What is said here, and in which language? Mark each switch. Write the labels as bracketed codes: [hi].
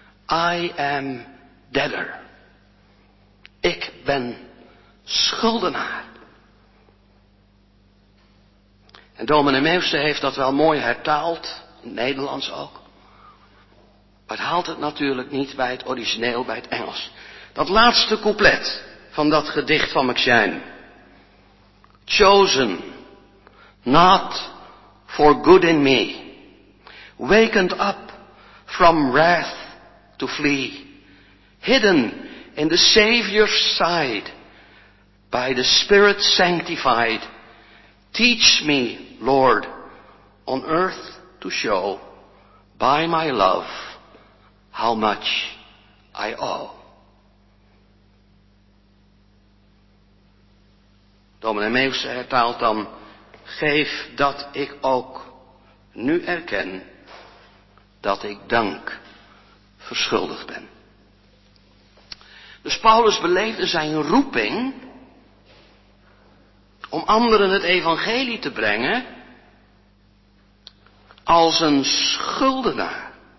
[en] I am debtor. [nl] Ik ben schuldenaar. En dominee Meuse heeft dat wel mooi hertaald, in het Nederlands ook. Maar het haalt het natuurlijk niet bij het origineel, bij het Engels. Dat laatste couplet van dat gedicht van McShane. [en] Chosen, not for good in me. Wakened up from wrath to flee. Hidden in the Savior's side, by the Spirit sanctified. Teach me, Lord, on earth to show, by my love, how much I owe. [nl] Dominee Meuse hertaalt dan, geef dat ik ook nu erken dat ik dank verschuldigd ben. Dus Paulus beleefde zijn roeping om anderen het evangelie te brengen als een schuldenaar.